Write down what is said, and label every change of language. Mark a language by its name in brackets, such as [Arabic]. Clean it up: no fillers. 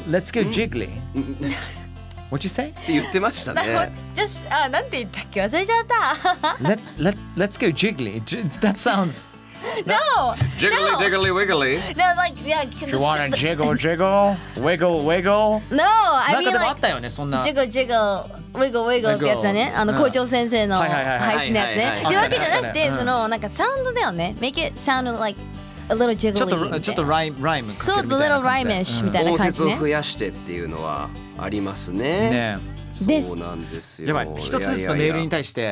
[English] Let's go jiggly. What you say? [Japanese] って言ってましたね。あ、なんて言ったっけ、忘れちゃった。 [English] let's go jiggly. That sounds. No. Jiggly, no. Jiggly, wiggly. No, like, yeah. You wanna jiggle, jiggle, wiggle, wiggle. No, I mean like. [Japanese] なんかあったよね、そんな。 [English] Jiggle, jiggle, wiggle, wiggle [Japanese] ってやつだね。あの校長先生の配信のやつね。ってわけじゃなくて、そのなんかサウンドだよね。 [English] Make it sound like. A little jiggly [Japanese] ちょっとライムそう、 [English] so, little rhymeish [Japanese] みたいな感じね。音節を増やしてっていうのはありますね。ね、そうなんですよ。やばい、一つずつのメールに対して、